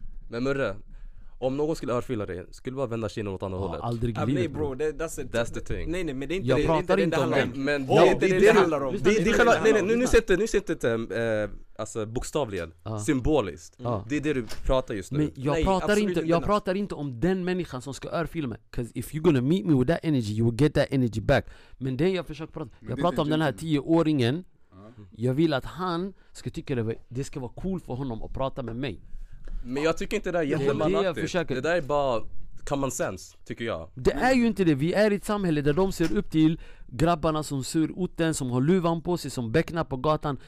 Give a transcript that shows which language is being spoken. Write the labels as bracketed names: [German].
[Swedish] Men Murre, om någon skulle örfila dig, skulle du bara vända kina åt andra hållet? Aldrig glider. Nej bro, [English] that's the thing. [Swedish] Nej, men det är inte jag det. Jag pratar inte om det. Men det handlar om. Nu ser inte bokstavligen. Symboliskt. Det är det du pratar just nu. Men jag pratar inte om den människan som ska örfila mig. [English] Because if you're gonna meet me with that energy, you will get that energy back. [Swedish] Men det jag försöker prata. Jag pratar om den här 10-åringen. Jag vill att han ska tycka att det ska vara cool för honom att prata med mig. Men jag tycker inte det är jättemannaktigt. Det där är bara [English] common sense, [Swedish] tycker jag. Det är ju inte det. Vi är i ett samhälle där de ser upp till grabbarna som ser ut den, som har luvan på sig, som becknar på gatan.